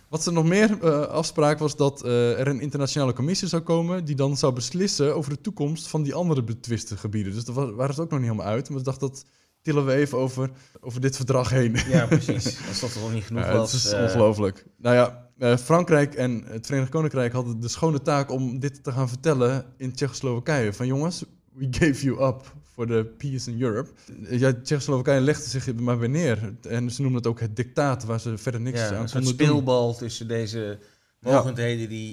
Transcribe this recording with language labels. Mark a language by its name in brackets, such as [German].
[Dutch] Wat ze nog meer afspraak was dat er een internationale commissie zou komen die dan zou beslissen over de toekomst van die andere betwiste gebieden. Dus daar waren ze ook nog niet helemaal uit. Maar ze dachten, dat tillen we even over dit verdrag heen. Ja, precies. Dat is toch niet genoeg was. Dat is ongelooflijk. Nou ja, Frankrijk en het Verenigd Koninkrijk hadden de schone taak om dit te gaan vertellen in Tsjechoslowakije. Van jongens, [English] we gave you up for the peace in Europe. [Dutch] Ja, Tsjechoslowakije legde zich maar weer neer. En ze noemden het ook het dictaat waar ze verder niks aan konden doen. Een speelbal tussen deze mogendheden.